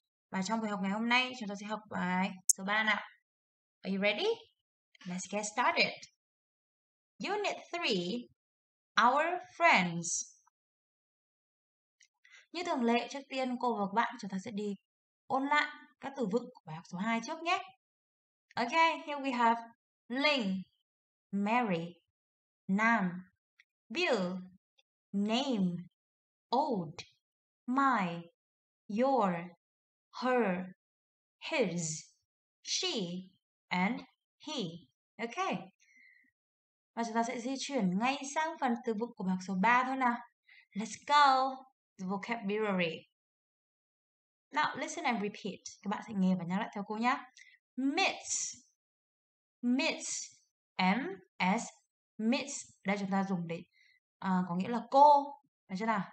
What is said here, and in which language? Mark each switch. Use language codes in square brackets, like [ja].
[vi] Và trong bài học ngày hôm nay chúng ta sẽ học bài số 3 nào. [en] Are you ready? Let's get started. Unit 3, Our Friends. [vi] Như thường lệ, trước tiên cô và các bạn chúng ta sẽ đi ôn lại các từ vựng của bài học số 2 trước nhé. [en] Okay, here we have Ling, Mary, Nam, Bill, Name, Old, My, Your, Her, His, She, and He. Okay. [vi] Và chúng ta sẽ di chuyển ngay sang phần từ vựng của bài học số 3 thôi nào. [en] Let's go the vocabulary. Now, listen and repeat. [vi] Các bạn sẽ nghe và nhắc lại theo cô nhé. Miss, miss, m s miss, đây chúng ta dùng để có nghĩa là cô, đấy chưa nào?